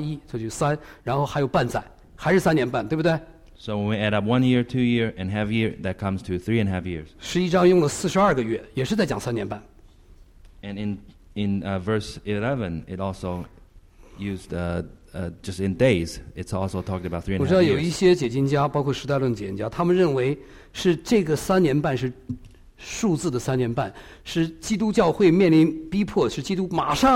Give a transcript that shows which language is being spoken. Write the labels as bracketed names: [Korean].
[Chinese] 这是第六节，然后第十四节就说一载二载就是一倍，就一，然后二倍就是二了，一加一，这就三，然后还有半载，还是3年半，对不对？ [English] So when we add up 1 year, 2 year, and half year, that comes to 3.5 years. [Chinese] 11章用了42个月，也是在讲3年半。 [English] And in verse 11, it also used just in days, it's also talked about 3.5 years.